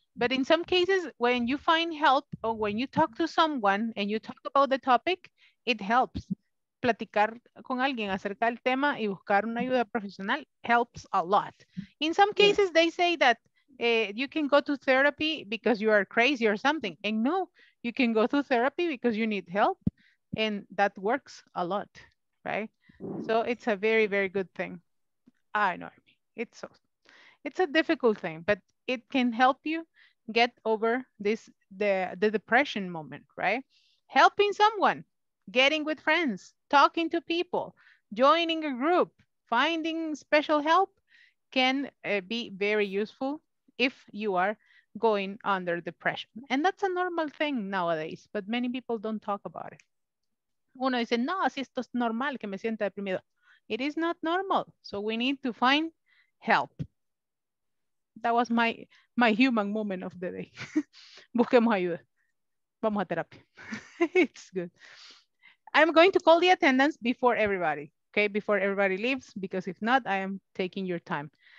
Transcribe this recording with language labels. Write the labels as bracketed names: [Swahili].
[English] But in some cases, when you find help or when you talk to someone and you talk about the topic, it helps. [Spanish] Platicar con alguien acerca del tema y buscar una ayuda profesional [English] helps a lot. In some cases, they say that you can go to therapy because you are crazy or something. And no, you can go to therapy because you need help. And that works a lot, right? So it's a very, very good thing. I know. It's a difficult thing, but it can help you get over this the depression moment, right? Helping someone, getting with friends, talking to people, joining a group, finding special help can be very useful if you are going under depression. And that's a normal thing nowadays, but many people don't talk about it. [Spanish] Uno dice, no, si esto es normal que me sienta deprimido. [English] It is not normal. So we need to find help. That was my human moment of the day. [Spanish] Busquemos ayuda. Vamos a terapia. [English] It's good. I'm going to call the attendance before everybody. Okay, before everybody leaves, because if not, I am taking your time.